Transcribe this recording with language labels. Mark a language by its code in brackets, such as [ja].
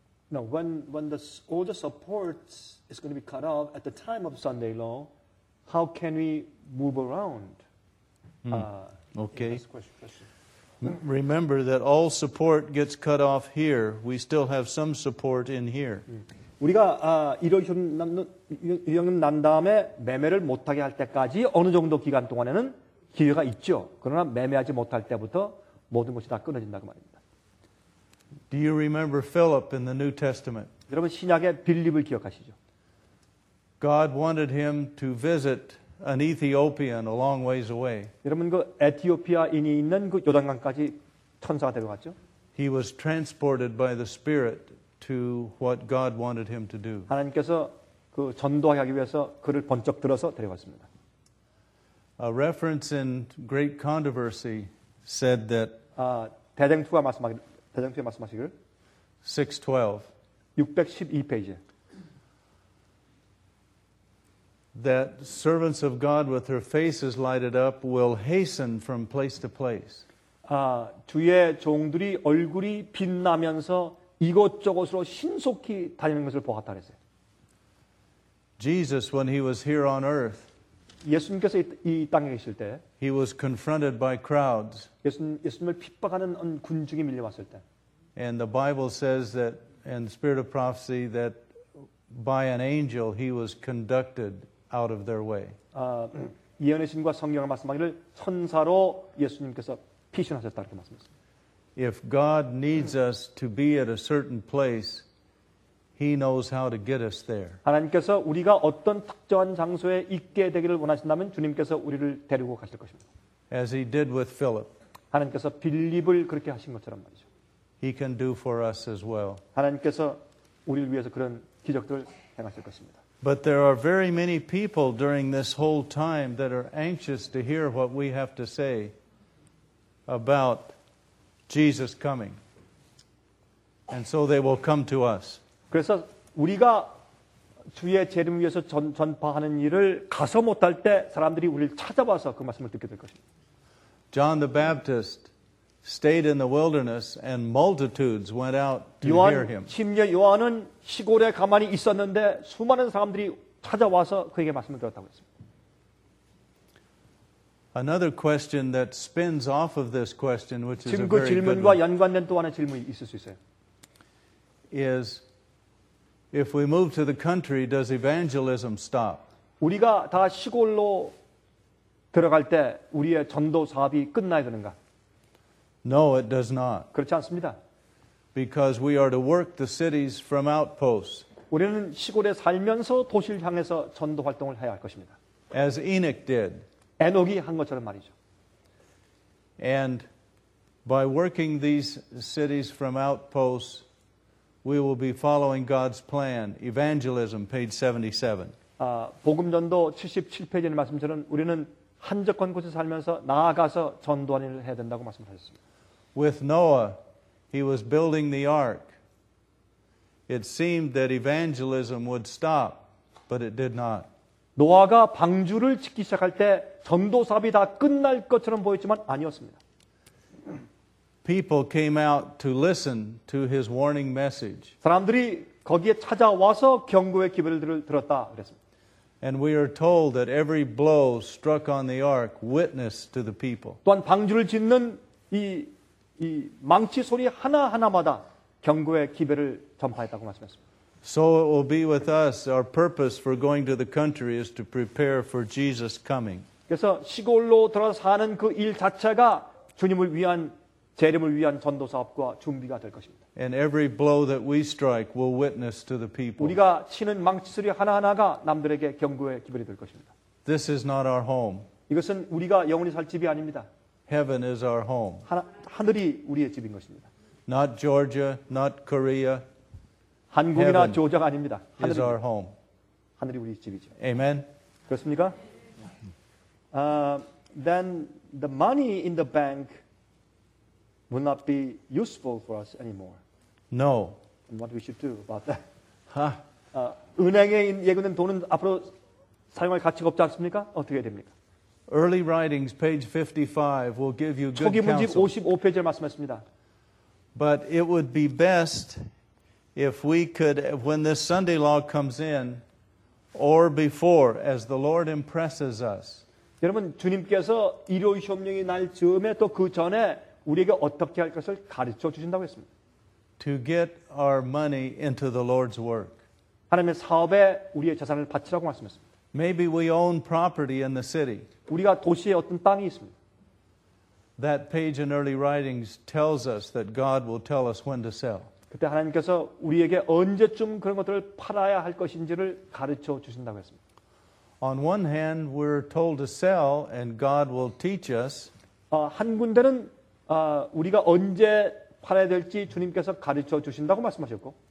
[en] When all the support is going to be cut off at the time of Sunday law, how can we move around? Okay. Question. Remember that all support gets cut off here. We still have some support in here. [ko] 우리가 일요일 휴업 난 다음에 매매를 못하게 할 때까지 어느 정도 기간 동안에는 기회가 있죠. 그러나 매매하지 못할 때부터 모든 것이 다 끊어진다고 말입니다. [en] Do you remember Philip in the New Testament? [ko] 여러분 신약의 빌립을 기억하시죠? [en] God wanted him to visit an Ethiopian a long ways away. [ko] 여러분 그 에티오피아인이 있는 그 요단강까지 천사가 데려갔죠? [en] He was transported by the Spirit to what God wanted him to do. [ko] 하나님께서 그 전도하기 위해서 그를 번쩍 들어서 데려갔습니다. [en] A reference in Great Controversy said that [ko] 대쟁투의 말씀하시기를 [en] 612 [ko] 612페이지 [en] that servants of God with their faces lighted up will hasten from place to place. [ko] 주의 종들이 얼굴이 빛나면서 이곳저곳으로 신속히 다니는 것을 보았다 그랬어요. [en] Jesus when he was here on earth [ko] 예수님께서 이 땅에 계실 때 [en] He was confronted by crowds. [ko] 예수님을 핍박하는 군중이 밀려왔을 때 [en] And the Bible says that in the spirit of prophecy that by an angel he was conducted out of their way. [ko] 예언의 신과 성경을 말씀하기를 천사로 예수님께서 피신하셨다 이렇게 말씀했습니다. [en] If God needs us to be at a certain place He knows how to get us there. [ko] 하나님께서 우리가 어떤 특정한 장소에 있게 되기를 원하신다면 주님께서 우리를 데리고 가실 것입니다. [en] As he did with Philip. [ko] 하나님께서 빌립을 그렇게 하신 것처럼 말이죠. [en] He can do for us as well. [ko] 하나님께서 우리를 위해서 그런 기적들을 행하실 것입니다. [en] But there are very many people during this whole time that are anxious to hear what we have to say about Jesus coming. And so they will come to us. [ko] 그래서 우리가 주의 재림을 위해서 전파하는 일을 가서 못할 때 사람들이 우리를 찾아와서 그 말씀을 듣게 될 것입니다. [en] John the Baptist stayed in the wilderness and multitudes went out to hear him. [ko] 심지어 요한은 시골에 가만히 있었는데 수많은 사람들이 찾아와서 그에게 말씀을 들었다고 했습니다. [en] Another question that spins off of this question, which is a very good one. [ko] 지금 그 질문과 연관된 또 하나 질문이 있을 수 있어요. [en] Is if we move to the country, does evangelism stop? [ko] 우리가 다 시골로 들어갈 때 우리의 전도 사업이 끝나야 되는가? [en] No, it does not. [ko] 그렇지 않습니다. [en] Because we are to work the cities from outposts. [ko] 우리는 시골에 살면서 도시를 향해서 전도 활동을 해야 할 것입니다. [en] As Enoch did. [ko] 에녹이 한 것처럼 말이죠. [en] And by working these cities from outposts, we will be following God's plan. Evangelism, page 77. [ko] 아, 복음 전도 77페이지 말씀처럼 우리는 한적한 곳에 살면서 나아가서 전도하는 일을 해야 된다고 말씀하셨습니다. [en] With Noah, he was building the ark. It seemed that evangelism would stop, but it did not. [ko] 노아가 방주를 짓기 시작할 때 전도 사업이 다 끝날 것처럼 보였지만 아니었습니다. [en] People came out to listen to his warning message. [ko] 사람들이 거기에 찾아와서 경고의 기별을 들었다 그랬습니다. [en] And we are told that every blow struck on the ark witnessed to the people. [ko] 또한 방주를 짓는 이 망치 소리 하나하나마다 경고의 기별을 전파했다고 말씀했습니다. [en] So it will be with us. Our purpose for going to the country is to prepare for Jesus coming. [ko] 그래서 시골로 들어가서 사는 그 일 자체가 주님을 위한 재림을 위한 전도 사업과 준비가 될 것입니다. [en] And every blow that we strike will witness to the people. [ko] 우리가 치는 망치소리 하나하나가 남들에게 경고의 기별이 될 것입니다. [en] This is not our home. [ko] 이것은 우리가 영원히 살 집이 아닙니다. [en] Heaven is our home. [ko] 하늘이 우리의 집인 것입니다. [en] Not Georgia, not Korea. [ko] 한국이나 조정 아닙니다. 하늘이, [en] is our home. [ko] 하늘이 우리 집이죠. [en] Amen. [ko] 그렇습니까? [en] Then the money in the bank will not be useful for us anymore. No. And what we should do about that? [ko] 은행에 예금된 돈은 앞으로 사용할 가치가 없지 않습니까? 어떻게 해야 됩니까? [en] Early writings, page 55, will give you good counsel. [ko] 초기 문집 55페이지를 말씀했습니다. [en] But it would be best if we could, when this Sunday law comes in, or before, as the Lord impresses us. [ko] 여러분, 주님께서 일요일 협력이 날 즈음에 또 그 전에 우리에게 어떻게 할 것을 가르쳐 주신다고 했습니다. [en] To get our money into the Lord's work. [ko] 하나님의 사업에 우리의 재산을 바치라고 말씀했습니다. [en] Maybe we own property in the city. [ko] 우리가 도시에 어떤 땅이 있습니다. [en] That page in early writings tells us that God will tell us when to sell. [ko] 그때 하나님께서 우리에게 언제쯤 그런 것들을 팔아야 할 것인지를 가르쳐 주신다고 했습니다. [en] On one hand, we're told to sell and God will teach us. [ko] 한 군데는 우리가 언제 팔아야 될지 주님께서 가르쳐 주신다고 말씀하셨고.